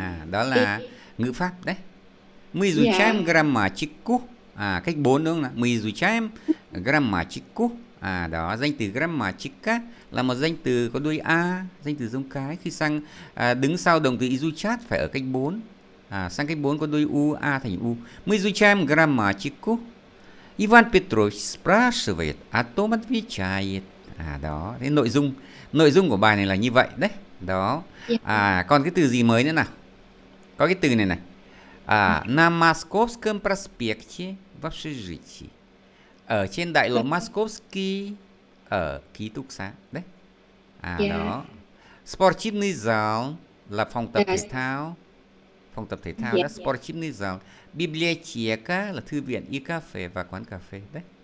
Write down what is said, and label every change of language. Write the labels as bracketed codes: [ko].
[vi] Đó là ngữ pháp đấy. [ru] Мы изучаем грамматику. [vi] Cách 4 đúng không nào? [ru] Мы изучаем грамматику. [vi] Đó, danh từ grammatica là một danh từ có đuôi A, danh từ giống cái. Khi sang đứng sau động từ изучать phải ở cách 4. Sang cách 4 có đuôi U, A thành U. [ru] Мы изучаем грамматику. Иван Петрович спрашивает, а Том отвечает. [vi] Đó, thế nội dung của bài này là như vậy đấy. Đó. Còn cái từ gì mới nữa nào? Có cái từ này này. [ru] На Московском проспекте в общежитии. [vi] Ở trên đại lộ Московский ở ký túc xá đấy. Đó. [ru] Спортивный зал [vi] là phòng tập thể thao. Phòng tập thể thao đó, [ru] Sportivni zal. [vi] Biblioteca là thư viện, y cà phê và quán cà phê đấy.